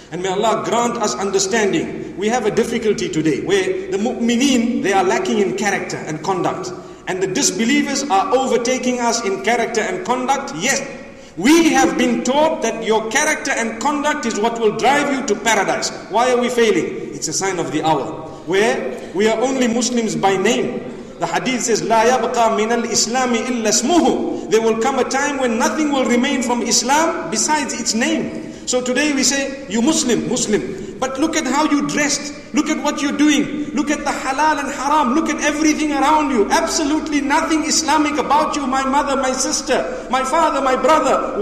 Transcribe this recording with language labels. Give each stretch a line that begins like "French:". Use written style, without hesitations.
English: And may Allah grant us understanding. We have a difficulty today where the mu'mineen, they are lacking in character and conduct. And the disbelievers are overtaking us in character and conduct. Yes. We have been taught that your character and conduct is what will drive you to paradise. Why are we failing? It's a sign of the hour. Where we are only Muslims by name. The hadith says,
Arabic: لَا يَبْقَى مِنَ الْإِسْلَامِ إِلَّا اسْمُهُ.
English: There will come a time when nothing will remain from Islam besides its name. So today we say, you Muslim, Muslim. But look at how you dressed. Look at what you're doing. Look at the halal and haram. Look at everything around you. Absolutely nothing Islamic about you, my mother, my sister, my father, my brother.